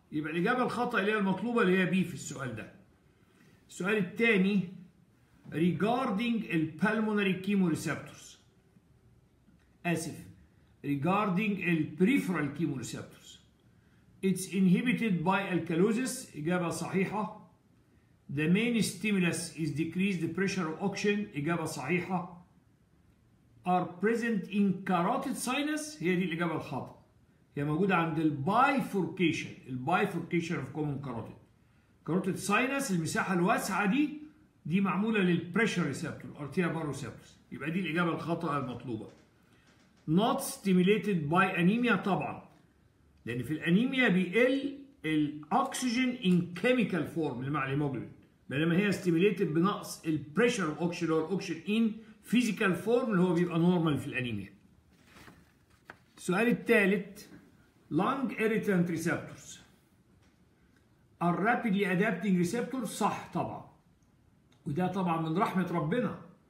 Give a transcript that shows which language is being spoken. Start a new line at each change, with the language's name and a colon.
Arabic: يبقى الاجابه الخطا اللي هي المطلوبه اللي هي بي في السؤال ده. السؤال الثاني
English: regarding البالمونري chemoreceptors,
Arabic: اسف،
English: regarding البريفرال chemoreceptors, it's inhibited by الكالوزيس،
Arabic: اجابه صحيحه.
English: The main stimulus is decreased the pressure of oxygen.
Arabic: إجابة صحيحة.
English: Are present in carotid sinus.
Arabic: هي دي الإجابة الخاطئة. هي موجودة عند bifurcation.
English: Bifurcation of common carotid.
Arabic: Carotid sinus المساحة الواسعة دي معمولة لل pressure receptor.
English: Arterial blood receptors.
Arabic: يبقى دي الإجابة الخاطئة المطلوبة.
English: Not stimulated by anemia طبعا.
Arabic: لأن في الأنيميا بيقل الأكسجين
English: in chemical form
Arabic: للهيموجلوبين، بينما هي استيميليتد بنقص البريشر
English: of oxygen or oxygen in physical form
Arabic: اللي هو بيبقى نورمال في الانيميا. السؤال الثالث
English: lung irritant receptors are rapidly adapting receptor,
Arabic: صح طبعا، وده طبعا من رحمه ربنا.